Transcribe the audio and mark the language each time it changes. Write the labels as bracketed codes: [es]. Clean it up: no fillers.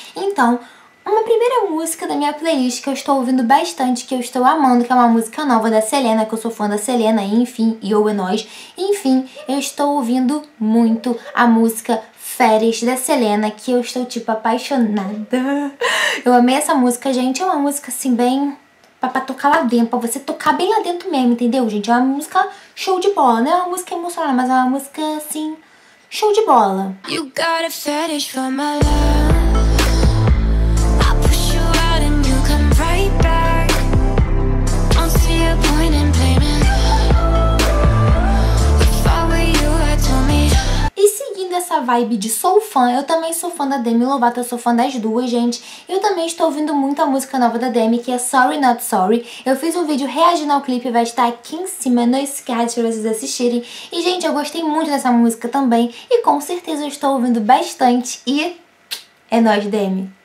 [pt] Então, uma primeira música da minha playlist que eu estou ouvindo bastante, que eu estou amando, que é uma música nova da Selena, que eu sou fã da Selena, enfim, e ou é nós, enfim, eu estou ouvindo muito a música Férias da Selena, que eu estou, tipo, apaixonada. Eu amei essa música, gente, é uma música, assim, bem... pra tocar lá dentro, pra você tocar bem lá dentro mesmo, entendeu, gente? É uma música show de bola, não é uma música emocional, mas é uma música, assim, show de bola. [en] You got a fetish for my love. I'll push you out and you come right back. Don't see a point in blaming. If I were you, I'd tell me. [pt] E seguindo essa vibe de sou fã, eu também sou fã da Demi Lovato, eu sou fã das duas, gente. Eu também estou ouvindo muito a música nova da Demi, que é Sorry Not Sorry. Eu fiz um vídeo reagindo ao clipe, vai estar aqui em cima, não esquece pra vocês assistirem. E, gente, eu gostei muito dessa música também e com certeza eu estou ouvindo bastante e é nóis, Demi.